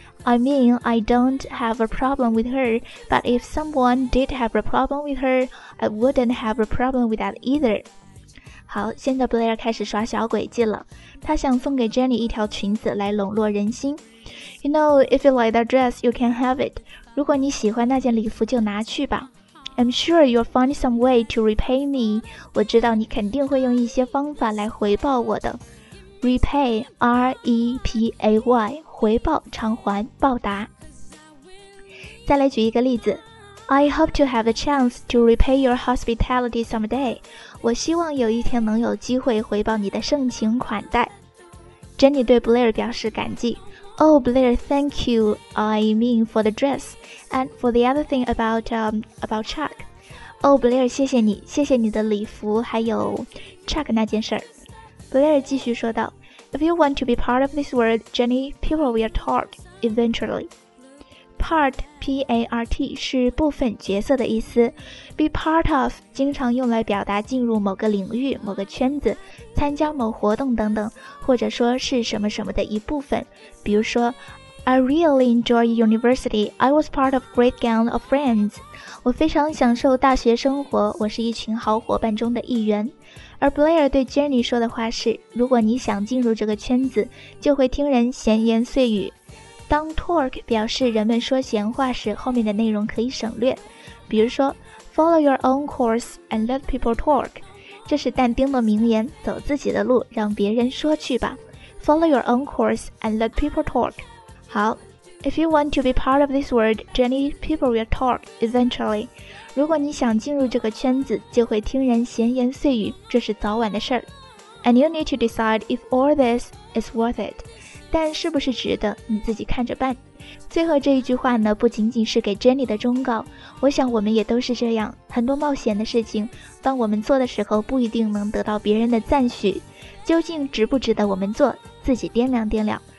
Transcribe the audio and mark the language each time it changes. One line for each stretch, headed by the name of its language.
English: I mean, I don't have a problem with her, but if someone did have a problem with her, I wouldn't have a problem with that either.
Chinese: 好，现在 Blair 开始耍小诡计了，他想送给 Jenny 一条裙子来笼络人心。
English: You know, if you like that dress, you can have it.
Chinese: 如果你喜欢那件礼服就拿去吧。
English: I'm sure you'll find some way to repay me.
Chinese: 我知道你肯定会用一些方法来回报我的。
English: Repay, R-E-P-A-Y,
Chinese: 回报、偿还、报答。再来举一个例子，
English: I hope to have a chance to repay your hospitality someday.
Chinese: 我希望有一天能有机会回报你的盛情款待。 Jenny 对 Blair 表示感激。
English: Oh, Blair, thank you, I mean for the dress, and for the other thing about Chuck.
Chinese: Oh, Blair, 谢谢你，谢谢你的礼服，还有 Chuck 那件事。
English: Blair
Chinese: 继续说道，
English: If you want to be part of this world, Jenny, people will talk, eventually.
Chinese: Part, P-A-R-T, 是部分角色的意思。 Be part of, 经常用来表达进入某个领域、某个圈子、参加某活动等等，或者说是什么什么的一部分。比如说
English: I really enjoy university. I was part of a great gang of friends.
Chinese: 我非常享受大学生活，我是一群好伙伴中的一员。而 Blair 对 Jenny 说的话是，如果你想进入这个圈子，就会听人闲言碎语。当 talk 表示人们说闲话时，后面的内容可以省略。比如说
English: Follow your own course and let people talk.
Chinese: 这是但丁的名言，走自己的路，让别人说去吧。
English: Follow your own course and let people talk. 好， If you want to be part of this world, Jenny, people will talk eventually.
Chinese: 如果你想进入这个圈子，就会听人闲言碎语，这是早晚的事儿。
English: And you need to decide if all this is worth it.
Chinese: 但是不是值得，你自己看着办。最后这一句话呢，不仅仅是给 Jenny 的忠告，我想我们也都是这样，很多冒险的事情，当我们做的时候，不一定能得到别人的赞许。究竟值不值得我们做，自己掂量掂量。